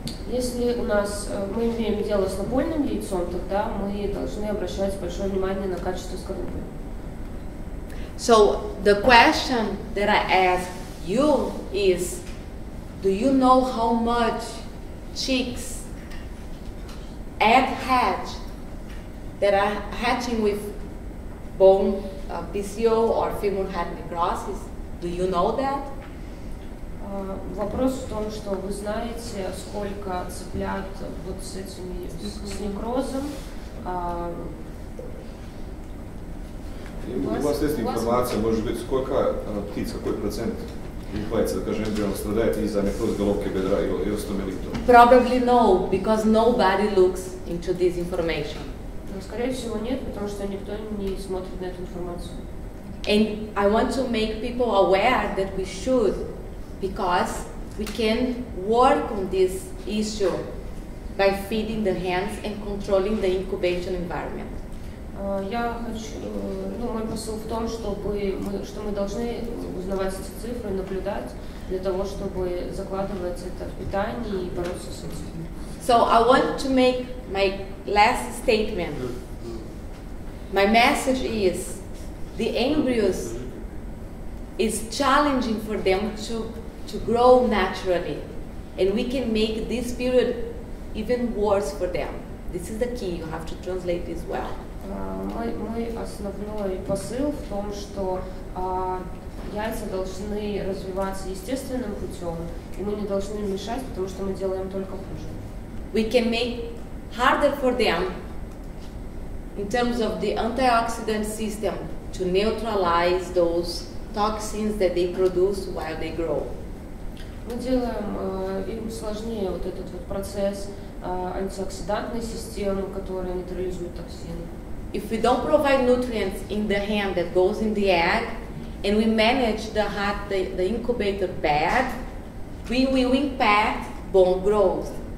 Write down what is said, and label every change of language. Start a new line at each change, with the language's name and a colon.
Russian: Если у нас мы имеем дело с напольным яйцом, тогда мы должны обращать большое внимание на качество скорлупы.
English: So the question that I ask you is, do you know how much chicks at hatch that are hatching with bone PCO or femur head necrosis. Do you know that?
Russian: Вопрос в том, что вы знаете, сколько цыплят вот с этими с некрозом. У вас есть информация, может быть, сколько птиц, какой процент яйца, скажем, эмбрион страдает из-за некроза головки бедра и остеомиелита?
English: Probably no, because nobody looks into this information.
Russian: Скорее всего нет, потому что никто не смотрит на эту информацию.
English: And I want to make people aware that we should, because we can work on this issue by feeding the hens and controlling the incubation environment.
Russian: Я хочу, ну, мой посыл в том, что мы должны узнавать эти цифры, наблюдать для того, чтобы закладывать это в питание и бороться с этим.
English: So I want to make my last statement. My message is, the embryos is challenging for them to grow naturally, and we can make this period even worse for them. This is the key. You have to translate this well.
Russian: Мой основной посыл в том, что яйца должны развиваться естественным путем, и мы не должны мешать, потому что мы делаем только хуже.
English: We can make harder for them in terms of the antioxidant system to neutralize those toxins that they produce while they grow.
Russian: Мы делаем им сложнее вот этот вот процесс антиоксидантной системы, которая нейтрализует токсины.
English: If we don't provide nutrients in the hen that goes in the egg, and we manage the incubator bad, we will impact bone growth.